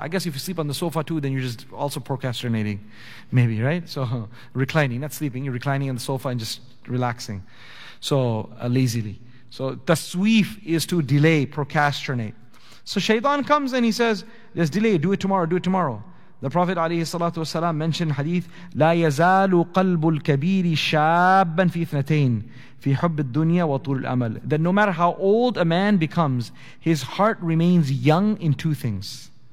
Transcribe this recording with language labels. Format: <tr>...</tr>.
<en>I guess if you sleep on the sofa too, then you're just also procrastinating, maybe, right? So reclining, not sleeping, you're reclining on the sofa and just relaxing. So lazily. So tasweef is to delay, procrastinate. So shaitan comes and he says, there's delay, do it tomorrow, do it tomorrow. The Prophet ﷺ mentioned hadith,</en> <ar>لا يزال قلب الكبير شابا في اثنتين في حب الدنيا وطول الأمل.</ar> <en>That no matter how old a man becomes, his heart remains young in two things.</en>